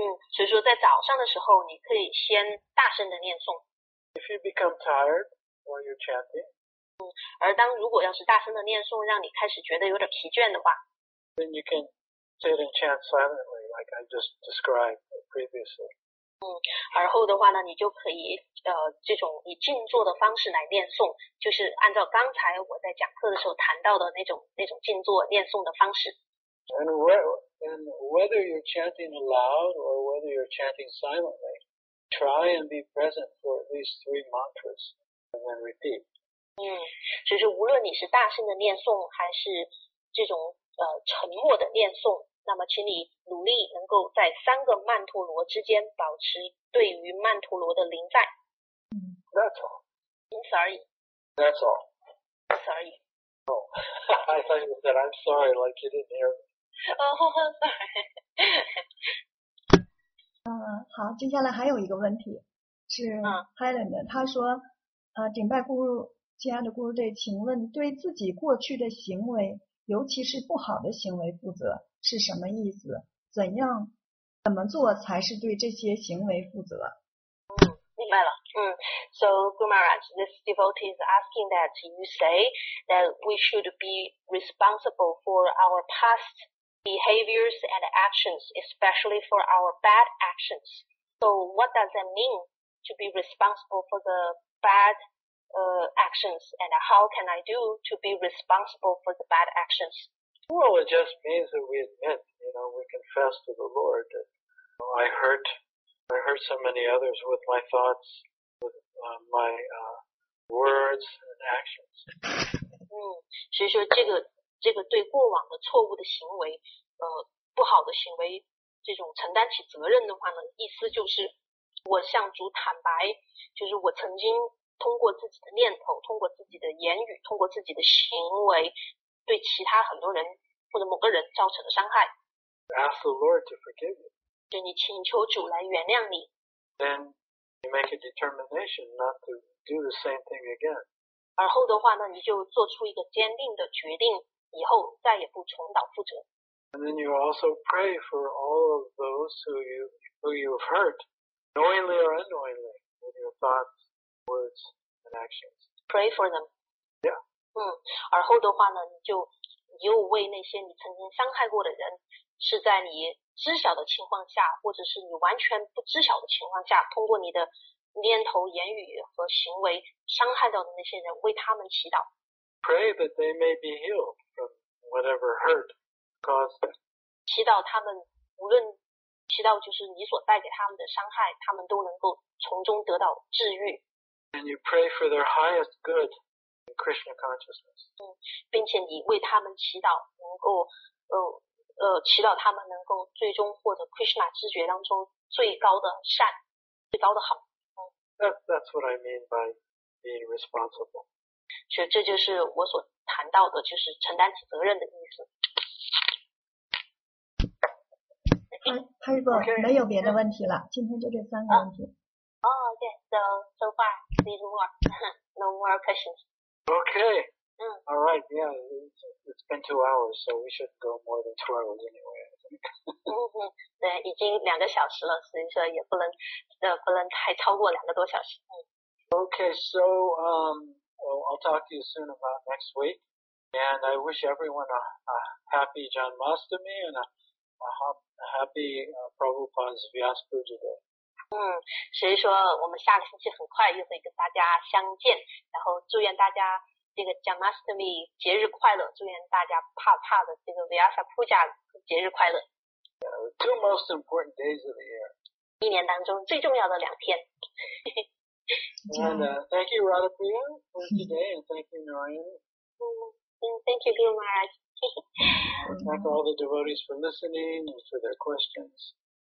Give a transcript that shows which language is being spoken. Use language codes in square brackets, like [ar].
[zh] 所以说在早上的时候你可以先大声的念诵。 [en] If you become tired while you're chanting, [zh] 而当如果要是大声的念诵让你开始觉得有点疲倦的话， [en] then you can sit and chant silently like I just described previously. [zh] 而后的话呢你就可以这种以静坐的方式来念诵，就是按照刚才我在讲课的时候谈到的那种静坐念诵的方式。 [en] And whether you're chanting aloud or whether you're chanting silently, try and be present for at least 3 mantras and then repeat. [zh] 就是无论你是大声的念诵还是这种沉默的念诵，那么请你努力能够在三个曼陀罗之间保持对于曼陀罗的临在。 [en] That's all. [zh] 因此而已。 [en] That's all. Sorry. Oh, I thought you said I'm sorry like you didn't hear me. [zh] 好，接下来还有一个问题是 Helen 的，他说顶拜咕噜，亲爱的咕噜队，请问对自己过去的行为尤其是不好的行为负责是什么意思，怎么做才是对这些行为负责？明白了。 [en] So Gumaraj, this devotee is asking that you say that we should be responsible for our pastbehaviors and actions, especially for our bad actions. So what does that mean to be responsible for the bad actions, and how can I do to be responsible for the bad actions? Well, it just means that we admit, you know, we confess to the Lord that, you know, I hurt so many others with my thoughts, with my words and actions. [zh] 所以说这个对过往的错误的行为不好的行为这种承担起责任的话呢，意思就是我向主坦白，就是我曾经通过自己的念头，通过自己的言语，通过自己的行为对其他很多人或者某个人造成的伤害。 [en] Ask the Lord to forgive you. [zh] 就你请求主来原谅你。 [en] Then you make a determination not to do the same thing again. [zh] 而后的话呢，你就做出一个坚定的决定，以后再也不重蹈覆辙。 [en] And then you also pray for all of those who you've hurt, knowingly or unknowingly, with your thoughts, words, and actions. Pray for them. Yeah. [zh] 而后的话呢，你又为那些你曾经伤害过的人，是在你知晓的情况下，或者是你完全不知晓的情况下，通过你的念头、言语和行为伤害到的那些人，为他们祈祷。 [en] Pray that they may be healed from whatever hurt. [zh] 祈祷他们无论祈祷就是你所带给他们的伤害他们都能够从中得到治愈。 [en] And you pray for their highest good, in Krishna consciousness. [zh] 并且你为他们祈祷，能够祈祷他们能够最终获得 Krishna 知觉当中最高的善，最高的好。 [en] That's what I mean by being responsible. [zh] 所以这就是我所谈到的，就是承担起责任的意思。哈利波特，没有别的问题了，今天就这三个问题。 [en] Oh, okay, so far, there's more. No more questions. Okay. All right, yeah, it's been 2 hours, so we should go more than 2 hours anyway, I think. [zh] 对，已经两个小时了，所以说也不能太超过两个多小时。 [en] Okay, so, I'll talk to you soon about next week, and I wish everyone a happy Janmashtami and a happy Prabhupada's Vyas Puja Day. [zh] 所以说我们下个星期很快又会跟大家相见，然后祝愿大家这个 Janmashtami 节日快乐，祝愿大家怕怕的这个 Vyasa Puja 节日快乐。 [en] Two most important days of the year. [zh] 一年当中最重要的两天。 [en] And, thank you, Radhapriya, for today, and thank you, Narayana. Thank you, Guru Maharaj. Thank all the devotees for listening and for their questions.